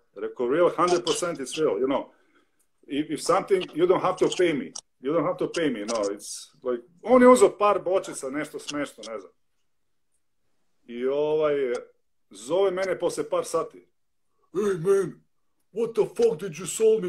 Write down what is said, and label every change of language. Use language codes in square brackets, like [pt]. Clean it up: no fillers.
[sr] Rekao, [en] real, 100% it's real, you know. If something, you don't have to pay me. You don't have to pay me, no, it's like... [sr] On je uzao par bočica, nešto smešno, ne znam. I ovaj, zove mene posle par sati. [en] Hey man, what the fuck did you sold me?